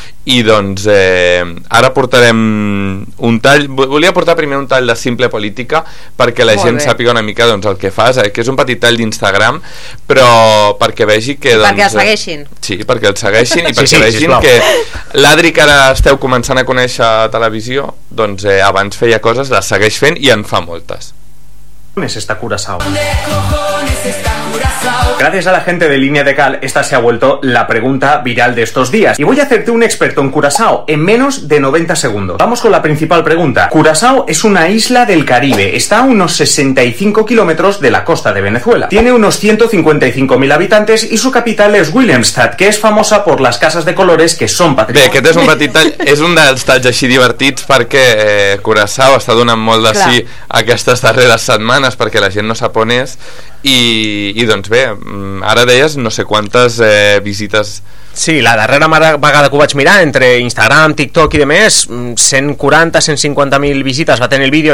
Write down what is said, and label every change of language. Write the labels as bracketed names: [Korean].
[Catalan] I doncs, ara portarem un tall, volia portar primer un tall de Simple Política perquè la gent sàpiga una mica, doncs, el que fas, que és un petit tall d'Instagram, però perquè vegi que, doncs, perquè el segueixin. Sí, perquè el segueixin i perquè vegin que l'Adri, que ara esteu començant a conèixer a televisió, doncs, abans feia coses, les segueix fent i en fa moltes. [Spanish] ¿Dónde cojones está Curazao? Gracias a la gente de Línea de Cal, esta se ha vuelto la pregunta viral de estos días. Y voy a hacerte un experto en Curazao en menos de 90 segundos. Vamos con la principal pregunta. Curazao es una isla del Caribe. Está a unos 65 kilómetros de la costa de Venezuela. Tiene unos 155.000 habitantes y su capital es Willemstad, que es famosa por las casas de colores que son patrimonio. [Catalan] Bé, aquest és un petit tall, és un dels talls així divertits perquè Curazao està donant molt de sí aquestes darreres setmanes perquè la gent no sap on és. I doncs bé, ara deies no sé quantes visites. Sí, la darrera vegada que ho vaig mirar, entre Instagram, TikTok i demés, 140-150.000 visites va tenir el vídeo.